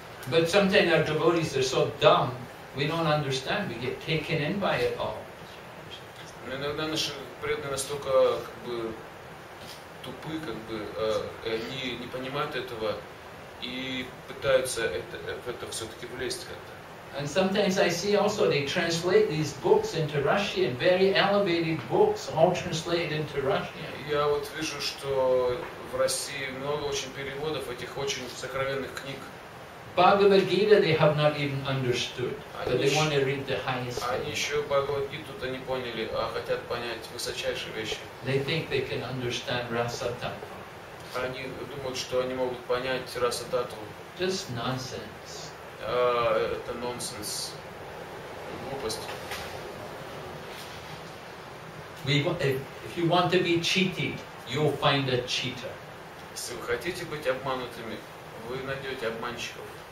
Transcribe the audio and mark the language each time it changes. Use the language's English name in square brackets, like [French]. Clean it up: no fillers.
[English] But sometimes our devotees are so dumb, we don't understand, we get taken in by it all. [Russian] Но иногда наши преданные настолько как бы тупы, как бы они не понимают этого и пытаются в это все-таки влезть как-то. [English] And sometimes I see also they translate these books into Russian, very elevated books, all translated into Russian. [Russian] Я вот вижу, что в России много очень переводов этих очень сокровенных книг. [English] Bhagavad Gita they have not even understood, but they want to read the highest. [Russian] Они еще Bhagavad Gita-то не поняли, а хотят понять высочайшие вещи. [English] They think they can understand Rasa Tattva. [Russian] они думают, что они могут понять Расататву. [English] Just nonsense. [Russian] Это нонсенс. Глупость. [English] If you want to be cheated, you'll find a cheater. [Russian] Если вы хотите быть обманутыми, вы найдете обманщиков.